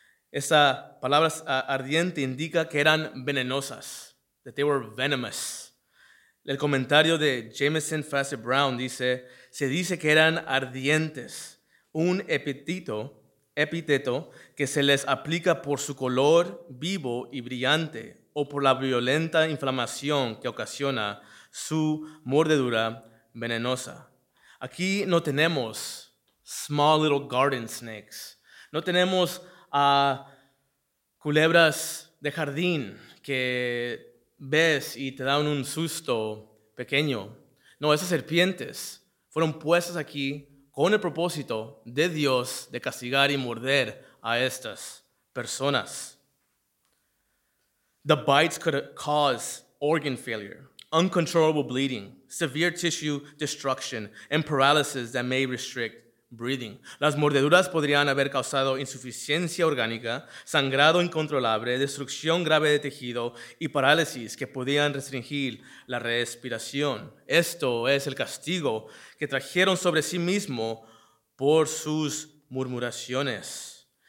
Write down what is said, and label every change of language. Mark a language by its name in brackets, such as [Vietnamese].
[Spanish] Esa palabra ardiente indica que eran venenosas, [English] that they were venomous. [Spanish] El comentario de Jameson Fassett Brown dice, se dice que eran ardientes, un epíteto que se les aplica por su color vivo y brillante, o por la violenta inflamación que ocasiona su mordedura venenosa. Aquí no tenemos [English] small little garden snakes. [Spanish] No tenemos culebras de jardín que ves y te dan un susto pequeño. No, esas serpientes fueron puestas aquí con el propósito de Dios de castigar y morder a estas personas. [English] The bites could cause organ failure, uncontrollable bleeding, severe tissue destruction, and paralysis that may restrict breathing. [Spanish] Las mordeduras podrían haber causado insuficiencia orgánica, sangrado incontrolable, destrucción grave de tejido y parálisis que podían restringir la respiración. Esto es el castigo que trajeron sobre sí mismo por sus murmuraciones.